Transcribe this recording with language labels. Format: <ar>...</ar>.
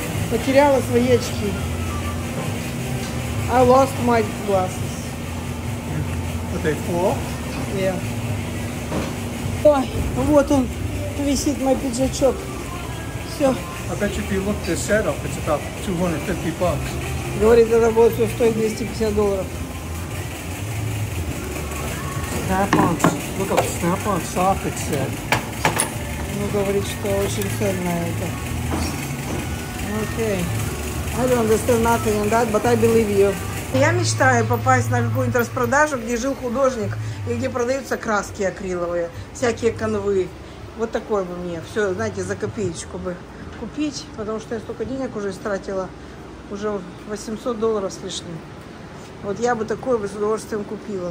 <ru>Потеряла свои очки.</ru> <en>I lost my glasses. But they fall? Yeah.</en> <ru>Ой, вот он, висит мой пиджачок. Все.</ru> <en>I bet you if you look this set up, it's about 250 bucks.</en> <ru>Говорит, это будет все стоить $250.</ru> <en>Snap-on, look up, Snap-on socket set.</en> <ru>Ну, говорит, что очень ценное это.</ru> <en>Окей. Okay. I don't understand nothing on that, but I believe you.</en> <ru>Я мечтаю попасть на какую-нибудь распродажу, где жил художник, и где продаются краски акриловые, всякие канвы. Вот такое бы мне. Все, знаете, за копеечку бы купить, потому что я столько денег уже истратила. Уже $800 с лишним. Вот я бы такое бы с удовольствием купила.</ru>